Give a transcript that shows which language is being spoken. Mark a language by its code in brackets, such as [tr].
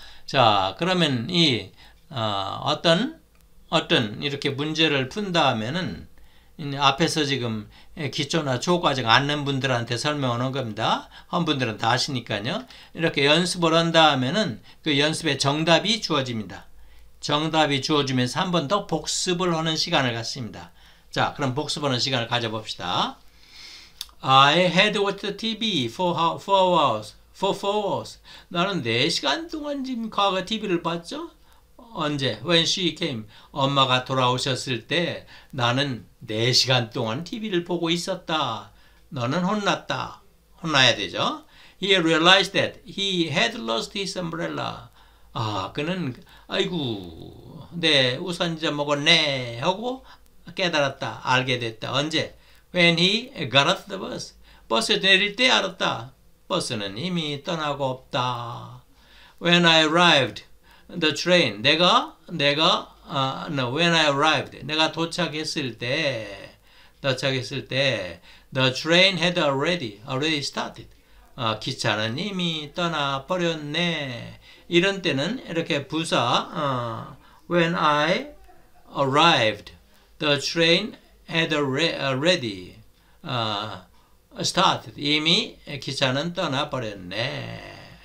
[ko] 자, 그러면 이 어떤 이렇게 문제를 푼 다음에는 앞에서 지금 기초나 초과정 않는 분들한테 설명하는 겁니다. 한 분들은 다 아시니까요. 이렇게 연습을 한 다음에는 그 연습의 정답이 주어집니다. 정답이 주어지면서 한번더 복습을 하는 시간을 갖습니다. 자, 그럼 복습하는 시간을 가져봅시다. [en] I had watched the TV for four hours. [ko] 나는 4시간 동안 지금 과거 TV를 봤죠? 언제? [en] When she came. [ko] 엄마가 돌아오셨을 때 나는 4시간 동안 TV를 보고 있었다. 너는 혼났다. 혼나야 되죠? [en] He realized that he had lost his umbrella. [ko] 아, 그는, 아이고, 내 우산 잊어먹었네. 하고 깨달았다. 알게 됐다. 언제? [en] When he got off the bus. [ko] 버스 내릴 때 알았다. 버스는 이미 떠나고 없다. [en] When I arrived. The train, when I arrived, [ko] 내가 도착했을 때, [en] the train had already started. [ko] 기차는 이미 떠나버렸네. 이런 때는 이렇게 부사, [en] when I arrived, the train had already started. [ko] 이미 기차는 떠나버렸네.